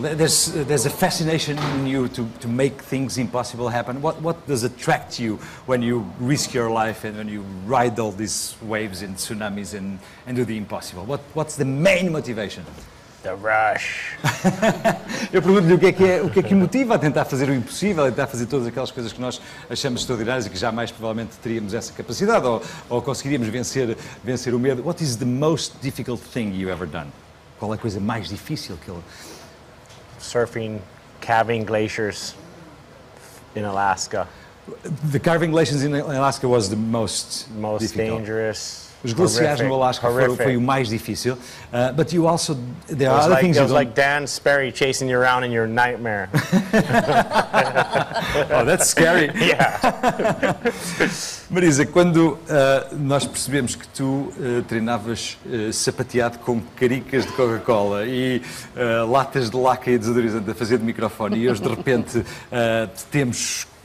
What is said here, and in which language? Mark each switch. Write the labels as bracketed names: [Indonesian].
[English] There's a fascination in you to make things impossible happen. What does attract you when you risk your life and when you ride all these waves and tsunamis and do the impossible? What's the main motivation? The rush. [Portuguese] Eu pergunto-lhe o que é que motiva a tentar fazer o impossível, a tentar fazer todas aquelas coisas que nós achamos extraordinárias e que jamais provavelmente teríamos essa capacidade ou conseguiríamos vencer o medo. [English] What is the most difficult thing you ever done? [Portuguese] Qual é a coisa mais difícil que ele... [English] Surfing, calving glaciers in Alaska. The calving glaciers in Alaska was the most most difficult. Dangerous. [Portuguese] Os glaciares no Alasca foi o mais difícil. [English] But you also, there are other like, things you don't... It was like Dan Sperry chasing you around in your nightmare. Oh, that's scary. Yeah. [Portuguese] Marisa, quando nós percebemos que tu treinavas sapateado com caricas de Coca-Cola e latas de laca e desodorizante a fazer de microfone e hoje de repente te temos...